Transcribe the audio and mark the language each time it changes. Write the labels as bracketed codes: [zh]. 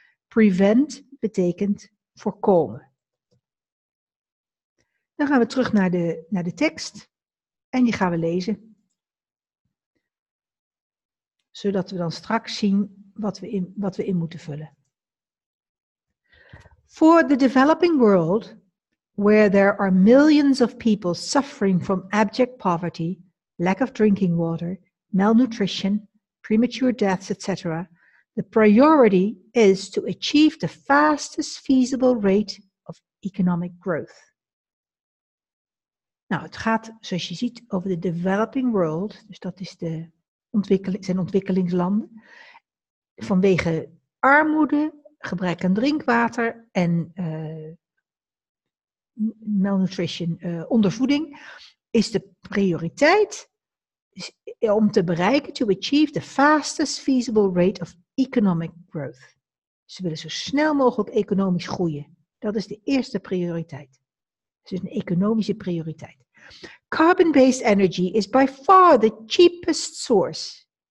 [nl] Prevent betekent voorkomen. Dan gaan we terug naar de tekst. En die gaan we lezen, zodat we dan straks zien wat we in moeten vullen. [en] For the developing world, where there are millions of people suffering from abject poverty, lack of drinking water, malnutrition, premature deaths, etc., the priority is to achieve the fastest feasible rate of economic growth. [nl] Nou, het gaat, zoals je ziet, over [en] the developing world, [nl] dus dat is de ontwikkelingslanden, vanwege armoede, gebrek aan drinkwater en malnutrition, ondervoeding, is de prioriteit om te bereiken, [en] to achieve the fastest feasible rate of economic growth. [nl] Ze willen zo snel mogelijk economisch groeien. Dat is de eerste prioriteit. Het is een economische prioriteit. [en] Carbon-based energy is by far the cheapest source.